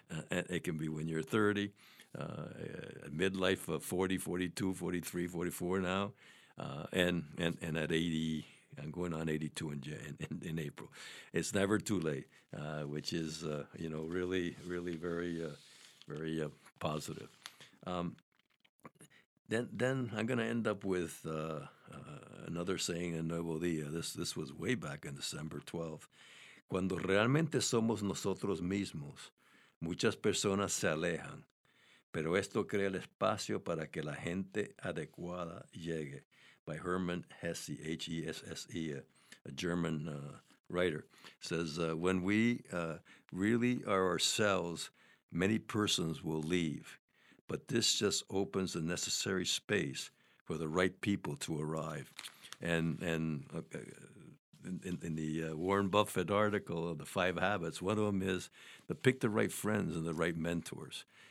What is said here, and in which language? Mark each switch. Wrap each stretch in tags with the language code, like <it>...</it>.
<en>It can be when you're 30, midlife of 40, 42, 43, 44 now, and at 80, I'm going on 82 in April. It's never too late, which is, really, really very, very positive. Then I'm going to end up with another saying in Nuevo Día. This was way back in December 12th.</en> <es>Cuando realmente somos nosotros mismos, muchas personas se alejan, pero esto crea el espacio para que la gente adecuada llegue. By Hermann Hesse, H-E-S-S-E,</es> <en>a German writer, says, when we really are ourselves, many persons will leave. But this just opens the necessary space for the right people to arrive. And in the Warren Buffett article of the Five Habits, one of them is to pick the right friends and the right mentors.</en>